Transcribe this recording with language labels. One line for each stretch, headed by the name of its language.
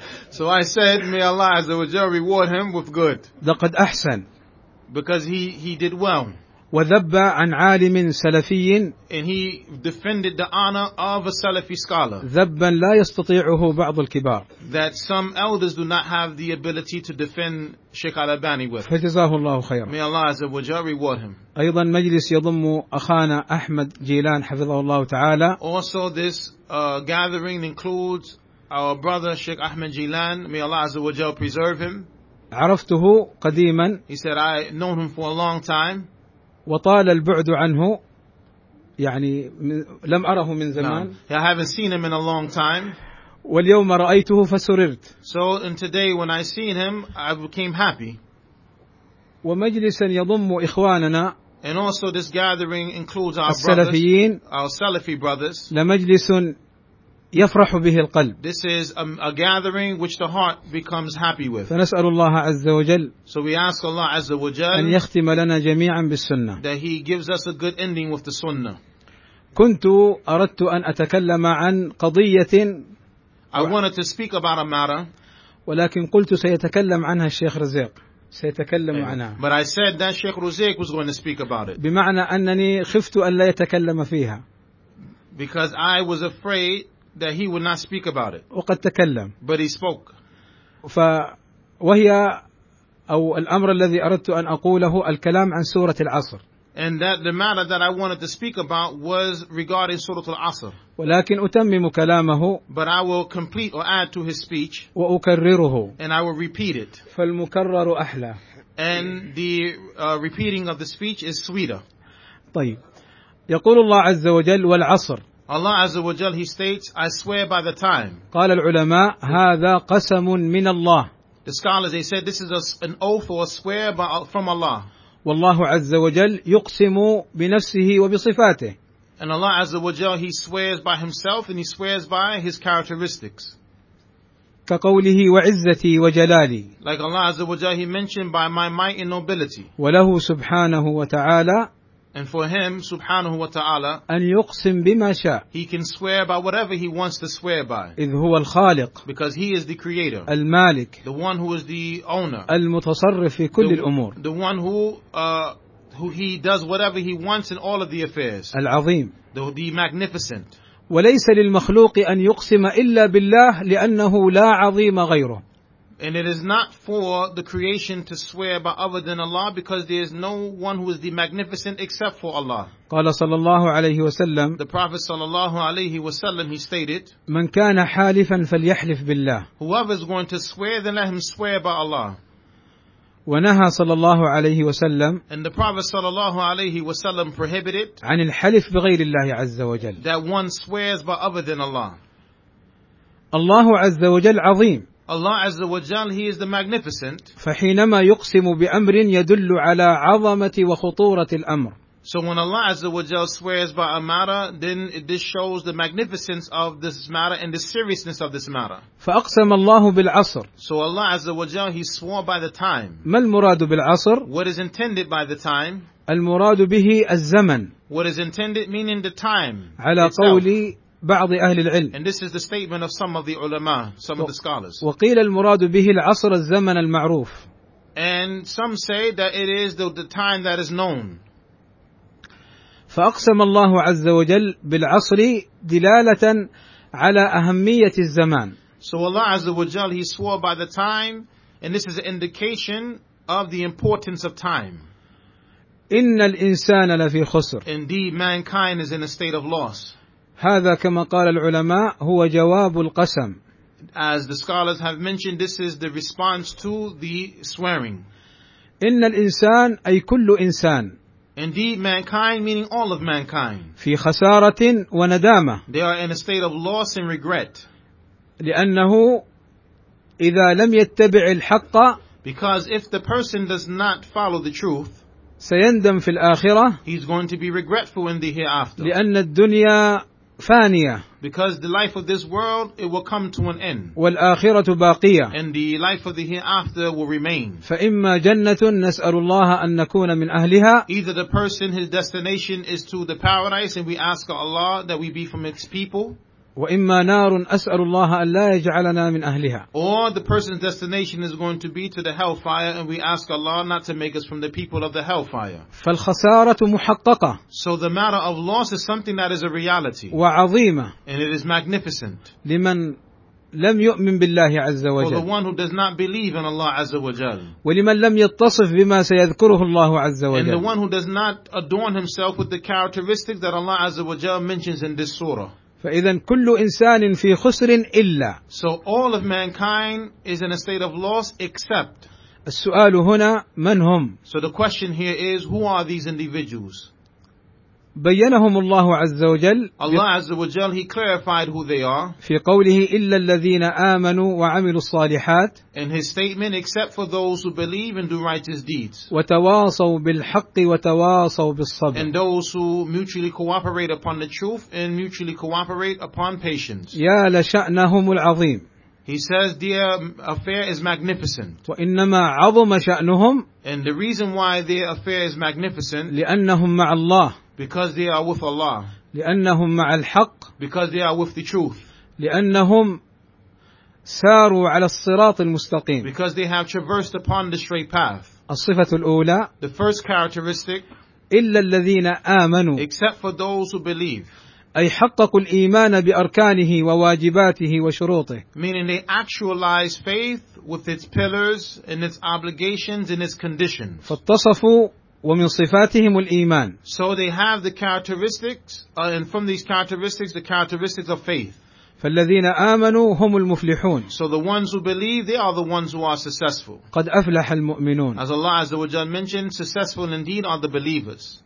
English: So I said, may Allah
Arabic: Azza wa Jalla
English: reward him with good.
Arabic: لقد أحسن.
English: Because he did well.
Arabic: وذب عن عالم سلفي.
English: And he defended the honor of a Salafi scholar.
Arabic: ذبا لا يستطيعه بعض الكبار.
English: That some elders do not have the ability to defend Sheikh Al-Albani with.
Arabic: فجزاه الله خيرا.
English: May Allah
Arabic: Azza wa Jalla
English: reward him.
Arabic: أيضا مجلس يضم أخانا أحمد جيلان حفظه الله تعالى.
English: Also this gathering includes our brother Sheikh Ahmed Jilan. May Allah
Arabic: Azza wa Jalla
English: preserve him.
Arabic: عرفته قديما.
English: He said, I known him for a long time.
Arabic: وطال البعد عنه يعني لم أره من زمان.
English: No, I haven't seen him in a long time.
Arabic: واليوم رأيته فسررت.
English: So in today when I seen him, I became happy.
Arabic: ومجلسا يضم إخواننا.
English: And also this gathering includes our
Arabic: السلفيين.
English: Brothers, our Salafi brothers.
Arabic: لمجلس يفرح به القلب.
English: This is a gathering which the heart becomes happy with.
Arabic: فنسأل الله عز وجل.
English: So we ask Allah
Arabic: عز وجل. أن يختم لنا جميعا بالسنة.
English: That he gives us a good ending with the sunnah.
Arabic: كنت أردت أن أتكلم عن قضية.
English: I wanted to speak about a matter.
Arabic: ولكن قلت سيتكلم عنها الشيخ رزيق. سيتكلم عنها.
English: But I said that Sheikh Ruzayk was going to speak about it.
Arabic: بمعنى أنني خفت أن لا يتكلم فيها.
English: Because I was afraid that he would not speak about it.
Arabic: وقد تكلم.
English: But he spoke.
Arabic: فوهي أو الأمر الذي أردت أن أقوله الكلام عن سورة العصر.
English: And that the matter that I wanted to speak about was regarding Surah Al-Asr.
Arabic: ولكن أتمم كلامه.
English: But I will complete or add to his speech.
Arabic: وأكرره.
English: And I will repeat it.
Arabic: فالمكرر أحلى.
English: And the repeating of the speech is sweeter.
Arabic: طيب. يقول الله عز وجل والعصر.
English: Allah
Arabic: عز وجل,
English: he states, I swear by the time.
Arabic: قال العلماء هذا قسم من الله.
English: The scholars, they said, this is an oath or a swear from Allah.
Arabic: والله عز وجل يقسم بنفسه وبصفاته.
English: And Allah
Arabic: عز وجل,
English: he swears by himself and he swears by his characteristics.
Arabic: كقوله وعزتي وجلالي.
English: Like Allah عز وجل, he mentioned by my might and nobility.
Arabic: وله سبحانه وتعالى.
English: And for him,
Arabic: سبحانه وتعالى. أن يقسم بما شاء.
English: He can swear by whatever he wants to swear by.
Arabic: إذ هو الخالق.
English: Because he is the creator.
Arabic: المالك.
English: The one who is the owner.
Arabic: المتصرف في كل الأمور.
English: The one who he does whatever he wants in all of the affairs.
Arabic: العظيم.
English: The magnificent.
Arabic: وليس للمخلوق أن يقسم إلا بالله لأنه لا عظيم غيره.
English: And it is not for the creation to swear by other than Allah because there is no one who is the magnificent except for Allah.
Arabic: قال صلى الله عليه وسلم.
English: The Prophet
Arabic: صلى الله عليه وسلم,
English: he stated.
Arabic: من كان حالفا فليحلف بالله.
English: Whoever is going to swear, then let him swear by Allah.
Arabic: ونهى صلى الله عليه وسلم.
English: And the Prophet
Arabic: صلى الله عليه وسلم
English: prohibited.
Arabic: عن الحلف بغير الله عز وجل.
English: That one swears by other than Allah.
Arabic: الله عز وجل عظيم.
English: Allah
Arabic: Azza wa Jal,
English: He is the Magnificent.
Arabic: فحينما يقسم بأمر يدل على عظمة وخطورة الأمر.
English: So when Allah
Arabic: Azza wa Jal
English: swears by a matter, then this shows the magnificence of this matter and the seriousness of this matter.
Arabic: فأقسم الله بالعصر.
English: So Allah
Arabic: Azza wa Jal,
English: He swore by the time.
Arabic: ما المراد بالعصر؟
English: What is intended by the time?
Arabic: المراد به الزمن.
English: What is intended meaning the time.
Arabic: على قولي بعض أهل العلم.
English: And this is the statement of some of the ulama, some of the scholars.
Arabic: وقيل المراد به العصر الزمن المعروف.
English: And some say that it is the time that is known.
Arabic: فأقسم الله عز وجل بالعصر دلالة على أهمية الزمان.
English: So Allah
Arabic: عز وجل,
English: he swore by the time, and this is an indication of the importance of time.
Arabic: إن الإنسان لفي خسر.
English: Indeed, mankind is in a state of loss.
Arabic: هذا كما قال العلماء هو جواب القسم.
English: As the scholars have mentioned, this is the response to the swearing.
Arabic: إن الإنسان أي كل إنسان.
English: Indeed, mankind, meaning all of mankind.
Arabic: في خسارة وندامة.
English: They are in a state of loss and regret.
Arabic: لأنه إذا لم يتبع الحق.
English: Because if the person does not follow the truth.
Arabic: سيندم في الآخرة.
English: He's going to be regretful in the hereafter.
Arabic: لأن الدنيا فانية.
English: Because the life of this world, it will come to an end.
Arabic: والآخرة باقية.
English: And the life of the hereafter will remain.
Arabic: فإما جنة نسأل الله أن نكون من أهلها.
English: Either the person, his destination is to the paradise, and we ask Allah that we be from its people.
Arabic: وإما نار أسأل الله أن لا يجعلنا من أهلها.
English: Or the person's destination is going to be to the hellfire, and we ask Allah not to make us from the people of the hellfire.
Arabic: فالخسارة محققة.
English: So the matter of loss is something that is a reality.
Arabic: وعظيمة.
English: And it is magnificent.
Arabic: لمن لم يؤمن بالله عز وجل.
English: For the one who does not believe in Allah
Arabic: عز وجل. ولمن لم يتصف بما سيذكره الله عز وجل.
English: And the one who does not adorn himself with the characteristics that Allah
Arabic: عز وجل
English: mentions in this surah.
Arabic: فإذا كل إنسان في خسر إلا.
English: So all of mankind is in a state of loss except.
Arabic: السؤال هنا من هم.
English: So the question here is who are these individuals.
Arabic: بينهم الله عز وجل.
English: Allah
Arabic: عز وجل,
English: he clarified who they are.
Arabic: في قوله إلا الذين آمنوا وعملوا الصالحات.
English: In his statement except for those who believe and do righteous deeds.
Arabic: وتواصوا بالحق وتواصوا بالصبر.
English: And those who mutually cooperate upon the truth and mutually cooperate upon patience.
Arabic: يا لشأنهم العظيم.
English: He says their affair is magnificent.
Arabic: وإنما عظم شأنهم.
English: And the reason why their affair is magnificent.
Arabic: لأنهم مع الله.
English: Because they are with Allah.
Arabic: لأنهم مع الحق.
English: Because they are with the truth.
Arabic: لأنهم ساروا على الصراط المستقيم.
English: Because they have traversed upon the straight path.
Arabic: الصفة الأولى.
English: The first characteristic.
Arabic: إلا الذين آمنوا.
English: Except for those who believe.
Arabic: أي حققوا الإيمان بأركانه وواجباته وشروطه.
English: Meaning they actualize faith with its pillars and its obligations and its conditions.
Arabic: فاتصفوا ومن صفاتهم الإيمان.
English: So they have the characteristics, and from these characteristics, the characteristics of faith.
Arabic: فالذين آمنوا هم المفلحون.
English: So the ones who believe, they are the ones who are successful.
Arabic: قد أفلح المؤمنون.
English: As Allah
Arabic: Azza wa Jalla
English: mentioned, successful indeed are the believers.